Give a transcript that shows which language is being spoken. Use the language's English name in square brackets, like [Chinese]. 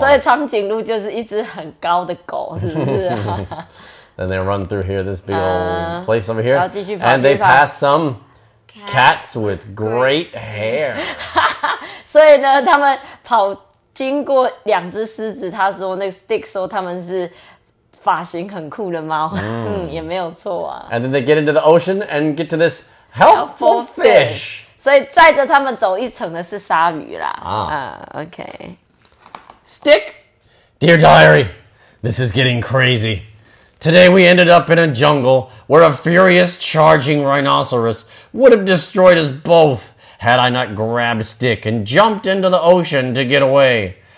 [Chinese] 所以长颈鹿就是一只很高的狗,是不是? [English] Then they run through here, this big old place over here. And they pass some cats with great hair. [Chinese] 所以呢, 他们跑, 经过两只狮子，他说那个 Stick 说他们是发型很酷的猫，也没有错啊。 [English] And then they get into the ocean and get to this helpful fish. [Chinese] 所以载着他们走一程的是鲨鱼啦。OK. [English] Stick, dear diary, this is getting crazy. Today we ended up in a jungle where a furious charging rhinoceros would have destroyed us both had I not grabbed Stick and jumped into the ocean to get away.